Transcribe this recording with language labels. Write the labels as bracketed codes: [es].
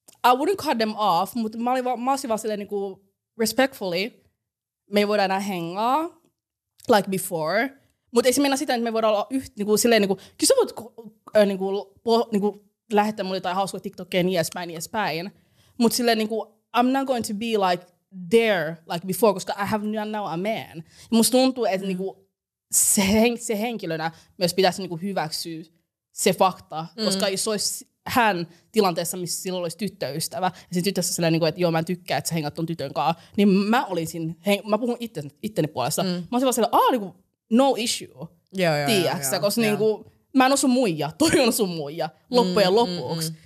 [en] I wouldn't cut them off, [fi] mutta mä olisin vaan silleen niin kuin, respectfully, me ei voida enää hengaa, [en] like before. [fi] Mutta ei se mennä sitä, että me voidaan olla yhtä, niin kuin, silleen, niin kuin, kyllä sä voit niin kuin, lähettää mulle jotain hauskoja TikTokia, niin edespäin. Mutta silleen, niin kuin, [en] I'm not going to be like there, like before, [fi] koska [en] I have now a man. [fi] Ja musta tuntuu, että niin kuin, se henkilönä myös pitäisi niinku hyväksyä se fakta, koska jos olisi hän tilanteessa, missä sillä olisi tyttöystävä, ja sen tytössä sellainen, että joo, mä en tykkää, että sä hengät ton tytön kanssa, niin mä olisin, mä puhun itteni puolesta, mä olisin vaan sellainen, aah, niinku, [en] no issue, [fi] tiiäksä, koska niinku, mä en ole sun muija, toi on sun muija, loppujen lopuksi.